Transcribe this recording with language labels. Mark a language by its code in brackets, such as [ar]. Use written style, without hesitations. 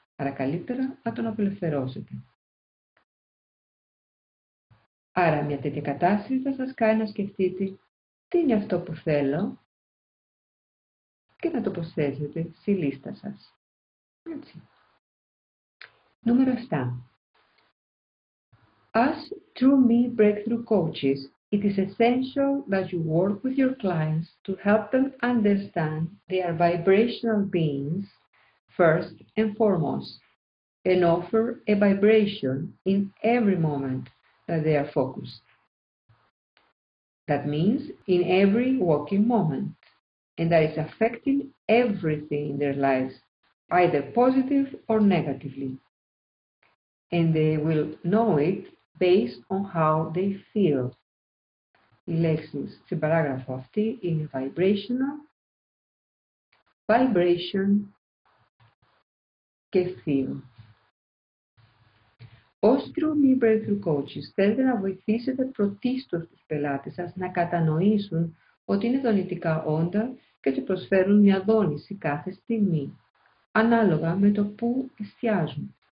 [el] Άρα καλύτερα να τον απελευθερώσετε. Άρα μια τέτοια κατάσταση θα σας κάνει να σκεφτείτε τι είναι αυτό που θέλω και να το προσθέσετε στη λίστα σας. Έτσι. Νούμερο 7. [en] As True Me Breakthrough Coaches, it is essential that you work with your clients to help them understand they are vibrational beings first and foremost, and offer a vibration in every moment that they are focused. That means in every waking moment, and that is affecting everything in their lives, either positive or negatively. And they will know it based on how they feel. [el] Οι λέξεις στην παράγραφο αυτή είναι vibrational, vibration και feel. Ως True Me Breakthrough Coaches θέλετε να βοηθήσετε πρωτίστως τους πελάτες σας να κατανοήσουν ότι είναι δονητικά όντα και ότι προσφέρουν μια δόνηση κάθε στιγμή, ανάλογα με το πού εστιάζουν.